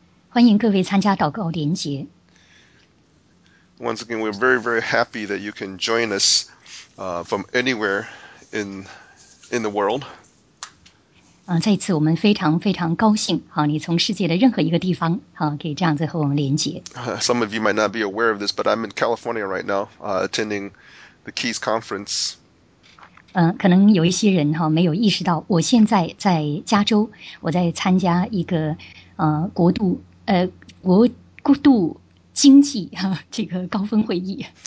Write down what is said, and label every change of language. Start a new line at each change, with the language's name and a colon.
Chinese: 欢迎各位参加祷告连结。
English: Once again, we're very, very happy that you can join us, from anywhere in the world.
Chinese: 再一次我们非常非常高兴，好，你从世界的任何一个地方，好，可以这样子和我们连结。
English: Some of you might not be aware of this, but I'm in California right now, attending the Keys Conference.
Chinese: 可能有一些人哈没有意识到，我现在在加州，我在参加一个国度经济哈这个高峰会议。